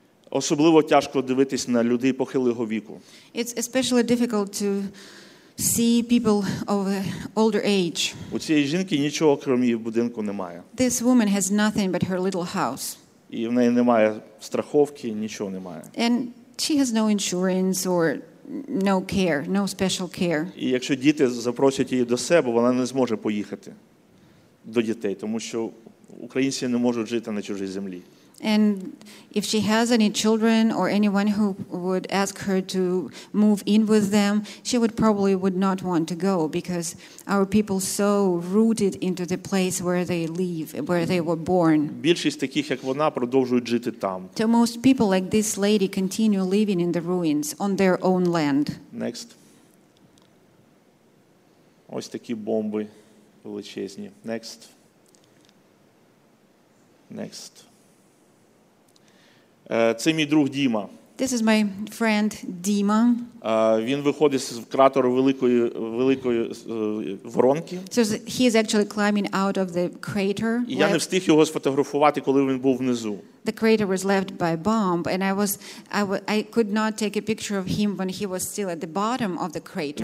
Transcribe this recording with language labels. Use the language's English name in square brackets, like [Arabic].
[Ukrainian] Особливо тяжко дивитись на людей похилого віку. [English] It's especially difficult to see people of older age. [Ukrainian] У цієї жінки нічого, крім її будинку, немає. [English] This woman has nothing but her little house. [Ukrainian] І в неї немає страховки, нічого немає. [English] And she has no insurance or no care, no special care. [Ukrainian] І якщо діти запросять її до себе, вона не зможе поїхати до дітей, тому що українці не можуть жити на чужій землі. [English] And if she has any children or anyone who would ask her to move in with them, she would probably would not want to go because our people so rooted into the place where they live, where they were born. [Ukrainian] Більшість таких, як вона, продовжують жити там. [English] To most people like this lady continue living in the ruins on their own land. Next. [Ukrainian] Ось такі бомби величезні. [English] Next. Next. [Ukrainian] Це мій друг Діма. [English] This is my friend Dima. [Ukrainian] Він виходить з кратеру великої воронки. [English] So he is actually climbing out of the crater. [Ukrainian] І я не встиг його сфотографувати, коли він був внизу. [English] The crater was left by bomb and I could not take a picture of him when he was still at the bottom of the crater.